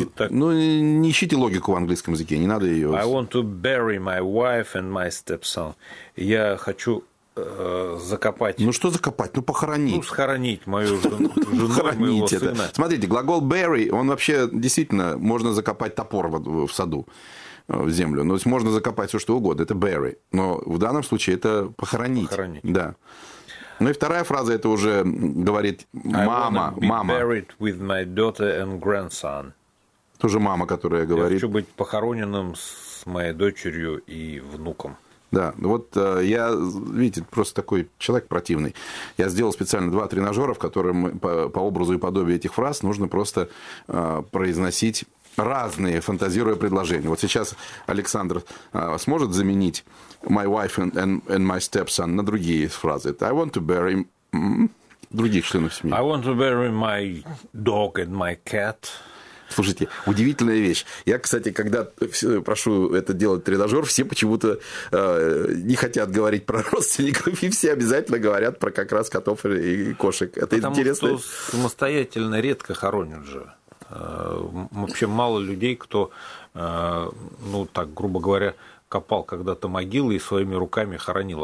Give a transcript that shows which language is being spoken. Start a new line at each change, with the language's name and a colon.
Russian: Ну, не ищите логику в английском языке, не надо ее.
English: I want to bury my wife and my stepson.
Russian: Я хочу закопать. Ну, что закопать? Ну, похоронить. Ну, схоронить мою жену, похоронить моего сына. Смотрите, глагол bury, он вообще действительно, можно закопать топор в саду, в землю. Ну, то есть можно закопать все, что угодно, это bury. Но в данном случае это похоронить. Похоронить. Да. Ну и вторая фраза, это уже говорит мама.
English: I want to be buried with my daughter and grandson.
Russian: Тоже мама, которая говорит. Я хочу быть похороненным с моей дочерью и внуком. Да, вот я, видите, просто такой человек противный. Я сделал специально два тренажера, в котором по образу и подобию этих фраз нужно просто произносить разные, фантазируя предложения. Вот сейчас Александр сможет заменить
English: my wife and my stepson
Russian: на другие фразы.
English: I want to bury
Russian: других членов семьи.
English: I want to bury my dog and my cat.
Russian: Слушайте, удивительная вещь. Я, кстати, когда прошу это делать тренажер, все почему-то не хотят говорить про родственников, и все обязательно говорят про как раз котов и кошек. Это потому интересно. Что самостоятельно редко хоронят же. Вообще мало людей, кто, ну так, грубо говоря, копал когда-то могилы и своими руками хоронил.